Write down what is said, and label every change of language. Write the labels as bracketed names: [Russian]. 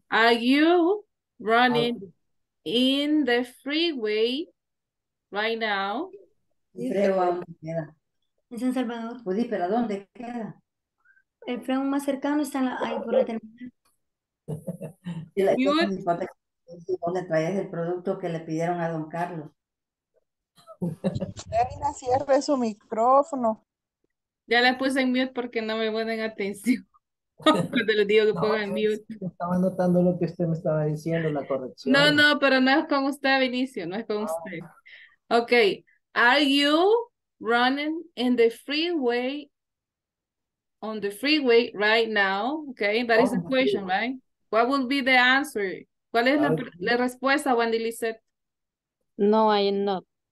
[English] Are you running in the freeway right now? [Spanish] Es en Salvador. Pues sí, pero ¿dónde queda? El freno más cercano está en la, ahí por la terminal. ¿Dónde traes el producto que le pidieron a don Carlos? Reina, cierre su micrófono. Ya la puse en mute porque no me ponen atención. Te lo digo que no, ponga en mute. Estaba notando lo que usted me estaba diciendo, la corrección. No, no, pero no es con usted, Vinicio, no es con usted. [English] Ok, are you running in the freeway, on the freeway right now, okay? That is the question, right? What would be the answer? [Spanish] ¿Cuál es la respuesta, [English] Wendy Lizette? No, I am not.